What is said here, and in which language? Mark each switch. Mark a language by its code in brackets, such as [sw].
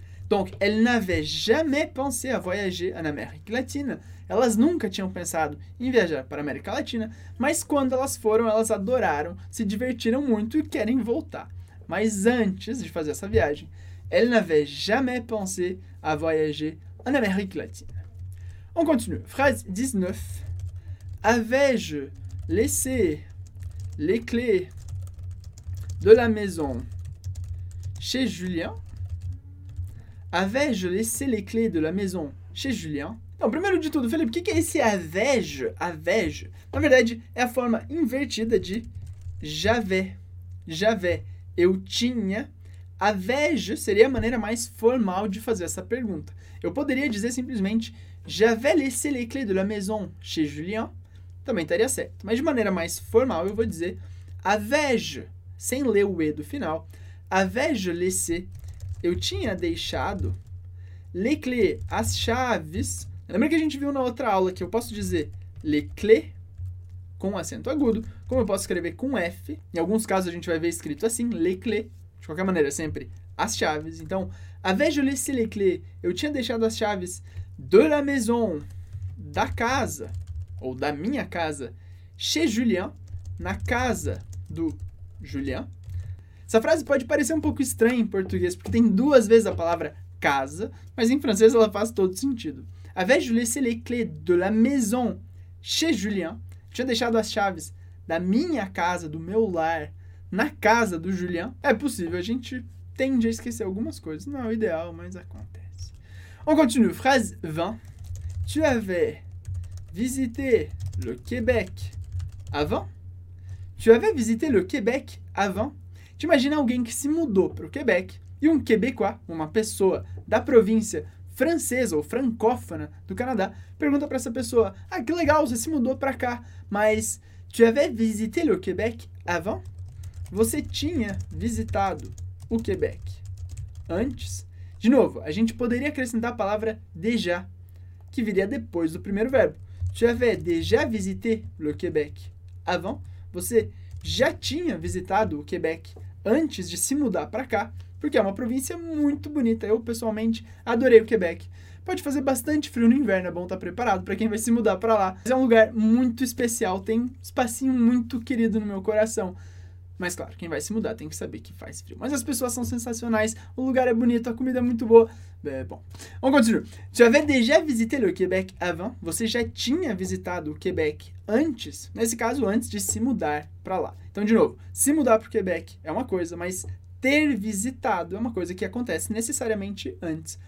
[fr] Donc, elle n'avait jamais pensé à voyager en Amérique latine. [pt] Elas nunca tinham pensado em viajar para a América Latina, mas quando elas foram, elas adoraram, se divertiram muito e querem voltar. Mas antes de fazer essa viagem, [fr] elle n'avait jamais pensé à voyager en Amérique latine. On continue. Phrase 19. Avais-je laissé les clés de la maison chez Julien? Avais-je laissé les clés de la maison chez Julien? [pt] Então, primeiro de tudo, Felipe, o que, que é esse avais-je? Avais-je? Na verdade, é a forma invertida de j'avais. J'avais. Eu tinha. Avais-je seria a maneira mais formal de fazer essa pergunta. Eu poderia dizer simplesmente [fr] j'avais laissé les clés de la maison chez Julien. [pt] Também estaria certo. Mas de maneira mais formal, eu vou dizer avais-je, sem ler o E do final. [fr] Avais-je laissé. [pt] Eu tinha deixado [fr] les clés, [pt] as chaves. Lembra que a gente viu na outra aula que eu posso dizer les clés com acento agudo, como eu posso escrever com F. Em alguns casos a gente vai ver escrito assim, les clés. De qualquer maneira, sempre as chaves. [fr] Então, avais-je laissé les clés? [pt] Eu tinha deixado as chaves [fr] de la maison, [pt] da casa, ou da minha casa, [fr] chez Julien, [pt] na casa do Julien. Essa frase pode parecer um pouco estranha em português, porque tem duas vezes a palavra casa, mas em francês ela faz todo sentido. [fr] Avais-je laissé les clés de la maison chez Julien? [pt] Eu tinha deixado as chaves da minha casa, do meu lar, na casa do Julien. É possível, a gente tende a esquecer algumas coisas. Não é o ideal, mas acontece. [fr] On continue. Phrase 20. Tu avais visité le Québec avant? Tu avais visité le Québec avant? [pt] Tu imagina alguém que se mudou para o Québec e um Québécois, uma pessoa da província francesa ou francófona do Canadá, pergunta para essa pessoa: ah, que legal, você se mudou para cá, mas [fr] tu avais visité le Québec avant? [pt] Você tinha visitado o Quebec antes? De novo, a gente poderia acrescentar a palavra déjà, que viria depois do primeiro verbo. [fr] Tu avais déjà visité le Québec avant? [pt] Você já tinha visitado o Quebec antes de se mudar para cá, porque é uma província muito bonita. Eu, pessoalmente, adorei o Quebec. Pode fazer bastante frio no inverno, é bom estar preparado para quem vai se mudar para lá. É um lugar muito especial, tem um espacinho muito querido no meu coração. Mas claro, quem vai se mudar tem que saber que faz frio. Mas as pessoas são sensacionais, o lugar é bonito, a comida é muito boa. É, bom, vamos continuar. [fr] Tu avais déjà visité le Québec avant? [pt] Você já tinha visitado o Québec antes? Nesse caso, antes de se mudar pra lá. Então, de novo, se mudar pro Québec é uma coisa, mas ter visitado é uma coisa que acontece necessariamente antes.